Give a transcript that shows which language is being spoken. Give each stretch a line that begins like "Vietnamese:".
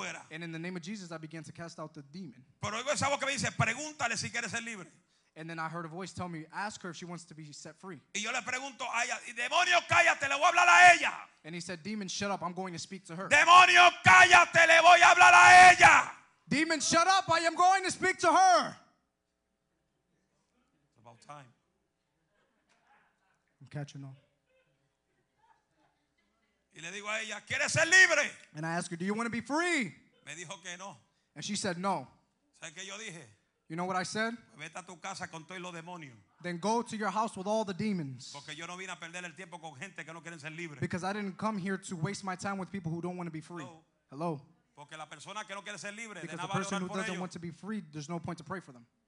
English: And in the name of Jesus, I began to cast out the demon.
Spanish: Pero oigo esa voz que me dice, pregúntale si quieres ser libre.
English: And then I heard a voice tell me, ask her if she wants to be set free.
Spanish: Y yo le pregunto, ay, demonio, cállate, le voy a hablar a ella.
English: And he said, demon, shut up, I'm going to speak to her.
Spanish: Demonio, cállate, le voy a hablar a ella.
English: Demon, shut up. I am going to speak to her. It's about time. I'm catching on.
Spanish: Y le digo a ella, ¿quieres ser libre?
English: And I ask her, do you want to be free?
Spanish: Me dijo que no.
English: And she said no.
Spanish: ¿Sabes qué yo dije?
English: You know what I said?
Spanish: Vete a tu casa con todos los demonios.
English: Then go to your house with all the demons.
Spanish: Porque yo no vine a perder el tiempo con gente que no quieren ser libre.
English: Because I didn't come here to waste my time with people who don't want to be free. Hello.
Spanish: Porque la persona que no quiere ser libre,
English: because the person who doesn't want to be free, there's no point to pray for them.